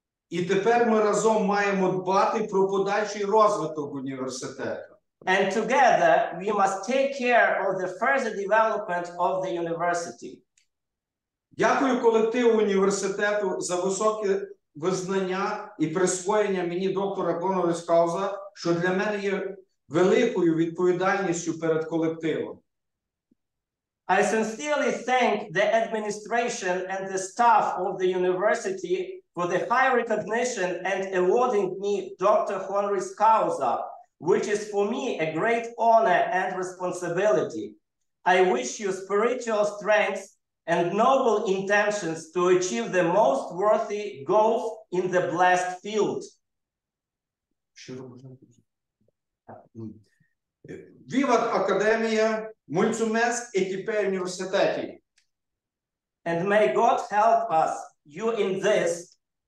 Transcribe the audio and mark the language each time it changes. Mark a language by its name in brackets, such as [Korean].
[Ukrainian] І тепер ми разом маємо дбати про подальший розвиток університету. [English] And together, we must take care of the further development of the university. [Ukrainian] Дякую колективу університету за високе визнання і присвоєння мені доктора Гоноріс Кауза, що для мене є великою відповідальністю перед колективом. [English] I sincerely thank the administration and the staff of the university for the high recognition and awarding me Dr. Honoris Causa, which is for me a great honor and responsibility. I wish you spiritual strength and noble intentions to achieve the most worthy goals in the blessed field. [Latin] Vivat Academia, [Romanian] mulțumesc echipei universității. [English] And may God help us, you in this.